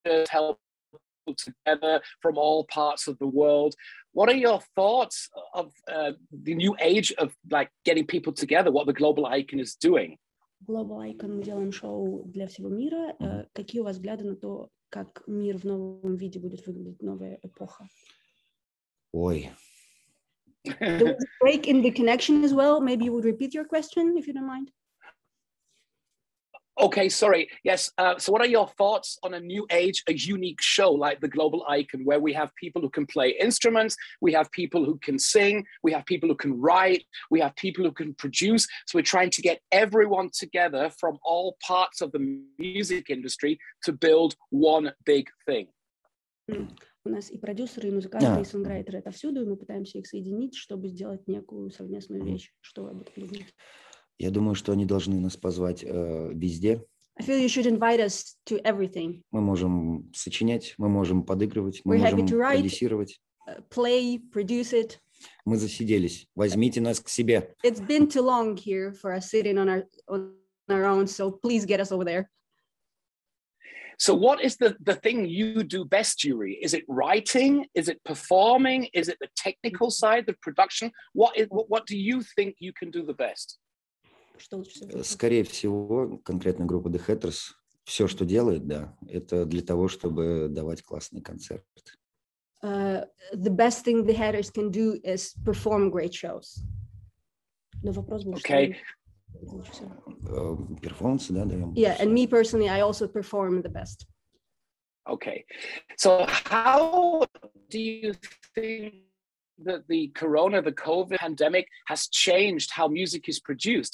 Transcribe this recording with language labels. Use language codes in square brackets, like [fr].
[en] Help people together from all parts of the world. What are your thoughts of the new age of like getting people together? What the Global Icon is doing? [ru] Global Icon, мы делаем шоу для всего мира. Какие у вас взгляды на то, как мир в новом виде будет выглядеть, новая эпоха? Ой. [en] There was a break in the connection as well. Maybe you would repeat your question, if you don't mind. Okay, sorry. Yes, so what are your thoughts on a new age, a unique show like the Global Icon, where we have people who can play instruments, we have people who can sing, we have people who can write, we have people who can produce. So we're trying to get everyone together from all parts of the music industry to build one big thing. Mm. [ru] У нас и продюсеры, и музыканты, yeah. и сонграйтеры отовсюду, и мы пытаемся их соединить, чтобы сделать некую совместную вещь. Mm-hmm. Что вы об этом думаете? Я думаю, что они должны нас позвать везде. [en] I feel you should invite us to everything. [ru] Мы можем сочинять, мы можем подыгрывать, мы можем продюсировать. [en] Play, produce it. [ru] Мы засиделись. Возьмите нас к себе. [en] It's been too long here for us sitting on our own, so please get us over there. So what is the thing you do best, Yuri? Is it writing? Is it performing? Is it the technical side, the production? What do you think you can do the best? [ru] Скорее всего, конкретно группа The Hatters все, что делает, да, это для того, чтобы давать классный концерт. [en] The best thing The Hatters can do is perform great shows. [ru] Но вопрос был, [en] okay. [ru] Performance, да, даем. [en] Yeah, and me personally, I also perform the best. Okay, so how do you think that the corona, the COVID pandemic has changed how music is produced?